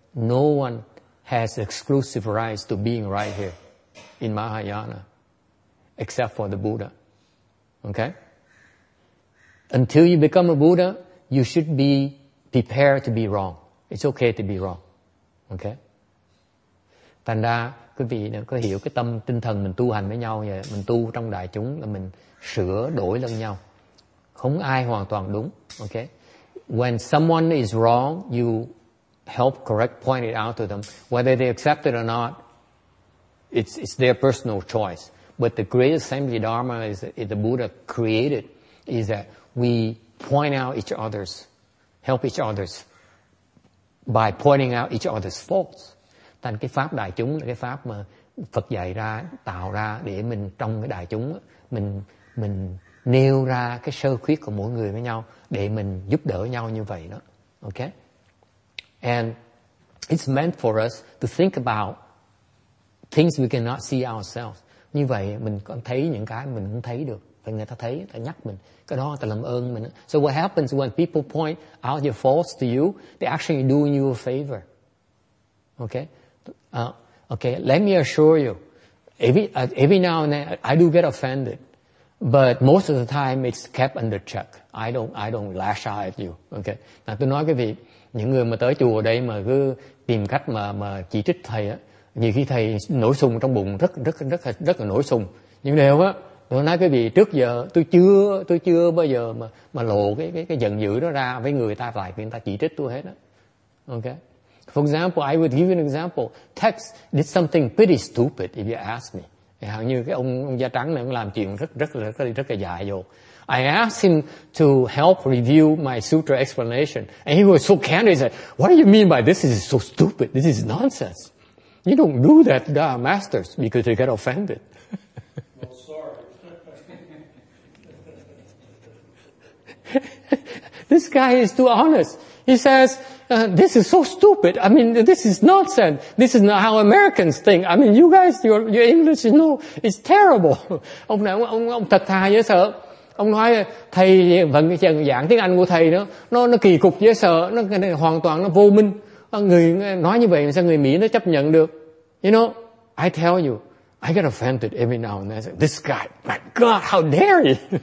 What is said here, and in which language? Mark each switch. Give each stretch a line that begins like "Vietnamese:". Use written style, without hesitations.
English: No one has exclusive rights to being right here in Mahayana except for the Buddha. Okay? Until you become a Buddha, you should be prepared to be wrong. It's okay to be wrong. Okay?
Vietnamese: Thành ra, quý vị có hiểu cái tâm tinh thần mình tu hành với nhau vậy, mình tu trong đại chúng là mình sửa đổi lẫn nhau, không ai hoàn toàn đúng.
English: Okay, when someone is wrong, you help correct, point it out to them, whether they accept it or not, it's their personal choice. But the great assembly dharma is the Buddha created is that we point out each other's, help each other's by pointing out each other's faults.
Vietnamese: Thành cái pháp đại chúng là cái pháp mà Phật dạy ra, tạo ra để mình trong cái đại chúng mình nêu ra cái sơ khuyết của mỗi người với nhau để mình giúp đỡ nhau như vậy đó.
English: Okay? And it's meant for us to think about things we cannot see ourselves.
Vietnamese: Như vậy mình còn thấy những cái mình không thấy được. Phải người ta thấy, người ta nhắc mình. Cái đó người ta làm ơn mình.
English: So what happens when people point out your faults to you, they actually do you a favor. Okay? Okay, let me assure you, every now and then I do get offended, but most of the time it's kept under check. I don't lash out at you. Okay, now,
Vietnamese: tôi nói cái việc những người mà tới chùa đây mà cứ tìm cách mà chỉ trích thầy á, nhiều khi thầy nổi sùng trong bụng rất là nổi sùng. Nhưng điều á, tôi nói cái việc trước giờ tôi chưa bao giờ mà lộ cái giận dữ đó ra với người ta, lại người ta chỉ trích tôi hết á.
English: Okay. For example, I would give you an example. Tex did something pretty stupid, if you ask me.
Vietnamese: Hầu như cái ông da trắng này ông làm chuyện rất rất rất rất là dại dột.
English: I asked him to help review my sutra explanation. And he was so candid. He said, what do you mean by this? This is so stupid. This is nonsense. You don't do that to our masters because they get offended. This guy is too honest. He says, this is so stupid. I mean, this is nonsense. This is not how Americans think. I mean, you guys, your English, you know, is terrible.
Vietnamese: Ông thật thà dễ sợ. Ông nói thầy vẫn giảng tiếng Anh của thầy đó. Nó kỳ cục dễ sợ. Nó hoàn toàn nó vô minh. Người nói như vậy sao người Mỹ nó chấp nhận được?
English: You know, I tell you, I get offended every now and then. I say, this guy, my God, how dare he?